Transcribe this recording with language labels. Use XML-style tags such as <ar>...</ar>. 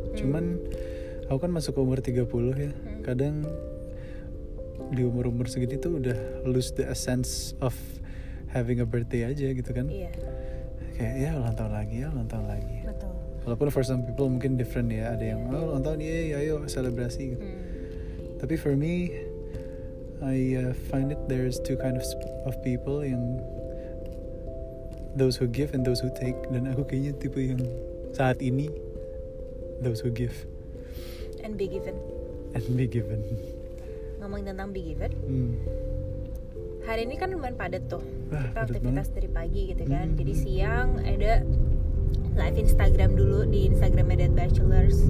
<id>Cuman aku kan masuk umur 30 ya. Kadang di umur-umur segini tuh udah</id> <en>lose the essence of having a birthday</en> <id>aja gitu kan. Iya. Kayak ya ulang tahun lagi, ya ulang tahun lagi. Betul. Walaupun</id> <en>for some people</en> <id>mungkin</id> <en>different ya.</en> <id>Ada yang oh ulang tahun, yay, ayo selebrasi gitu. Tapi</id> <en>for me I find it there's two kind of people,</en> <id>yang</id> <en>those who give and those who take.</en> <id>Dan aku kayaknya tipe yang saat ini</id> <en>those who give and be given. And be given.</en> <id>Ngomongin tentang</id> <en>be given,</en> <id>hari ini kan lumayan padat tuh. Wah, aktivitas dari pagi gitu kan. Jadi siang ada live Instagram dulu di Instagramnya Dead Bachelors.</id>